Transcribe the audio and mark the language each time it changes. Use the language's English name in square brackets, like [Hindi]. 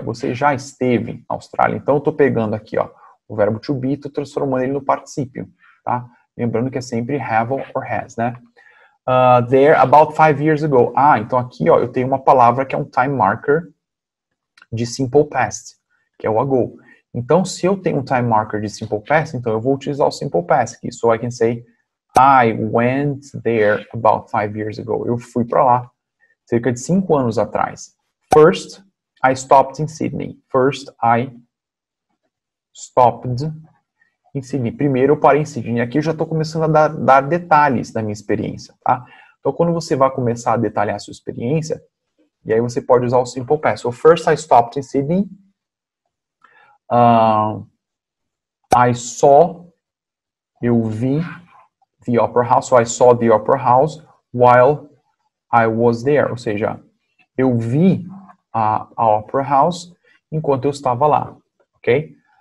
[Portuguese] Você já esteve na Austrália? Então, eu estou pegando aqui, ó, o verbo to be e estou transformando ele no particípio, tá? Lembrando que é sempre have or has, né? [English] There, about 5 years ago. [Portuguese] Ah, então aqui, ó, eu tenho uma palavra que é um time marker de simple past, que é o ago. Então, se eu tenho um time marker de simple past, então eu vou utilizar o simple past aqui. [English] So, I can say, I went there about 5 years ago. [Portuguese] Eu fui para lá cerca de 5 anos atrás. [English] First, I stopped in Sydney. First, I stopped em Sydney. [Portuguese] Primeiro, eu parei em Sydney. Aqui eu já estou começando a dar detalhes da minha experiência, tá? Então, quando você vai começar a detalhar a sua experiência, e aí você pode usar o simple past. [English] So, first, I stopped in Sydney. I saw, [Portuguese] eu vi [English] the Opera House, so I saw the Opera House while I was there. [Portuguese] Ou seja, eu vi a Opera House enquanto eu estava lá, ok?